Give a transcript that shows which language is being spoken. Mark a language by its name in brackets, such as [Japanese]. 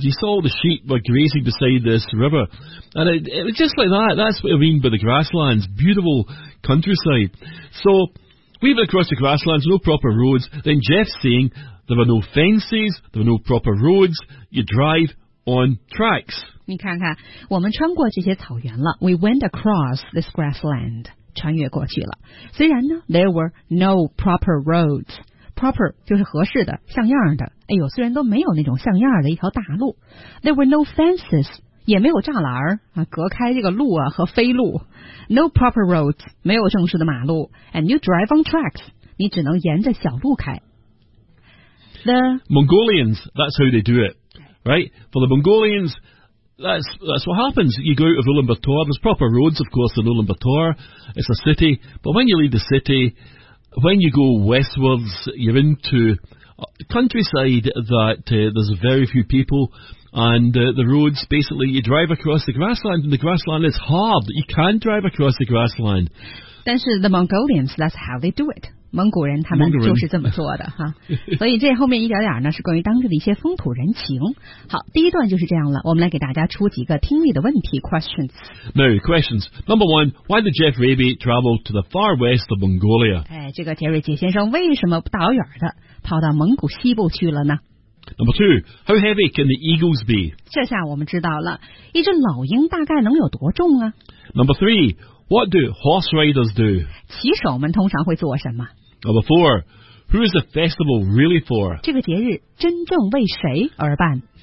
[English] You saw the sheep were grazing beside this river. And it was just like that. That's what I mean by the grasslands. Beautiful countryside. So we went across the grasslands, no proper roads. Then Jeff's saying there are no fences, there are no proper roads. You drive on tracks. [Chinese] 你看看，我们穿过这些草原了。 [English] We went across this grassland. [Chinese] 穿越过去了。虽然呢 [English] ，there were no proper roads. Proper [Chinese] 就是合适的、像样的。哎呦，虽然都没有那种像样的一条大路。 [English] There were no fences. [Chinese] 也没有栅栏啊，隔开这个路啊和非路。 [English] No proper roads, [Chinese] 没有正式的马路。 [English] And you drive on tracks, [Chinese] 你只能沿着小路开。 [English] The Mongolians, that's how they do it, right? For the Mongolians, that's what happens. You go out of Ulaanbaatar, there's proper roads, of course, in Ulaanbaatar. It's a city, but when you leave the city, when you go westwards, you're into a countryside that there's very few people, and the roads, basically, you drive across the grassland, and the grassland is hard. You can't drive across the grassland. [Chinese] 但是 [English] the Mongolians, that's how they do it. [Chinese] 蒙古人他们就是这么做的哈。所以这后面一点点呢，是关于当地的一些风土人情。好，第一段就是这样了。我们来给大家出几个听力的问题 questions. [English] Mary, questions. Number one, why did Jeff Raby travel to the far west of Mongolia? [Chinese] 哎，这个杰瑞杰先生为什么大老远的跑到蒙古西部去了呢？ [English] Number two, how heavy can the eagles be? [Chinese] 这下我们知道了，一只老鹰大概能有多重啊 [English] ？Number three, what do horse riders do? [Chinese] 骑手们通常会做什么 [English] ？Number four, who is the festival really for? [Chinese] 这个节日真正为谁而办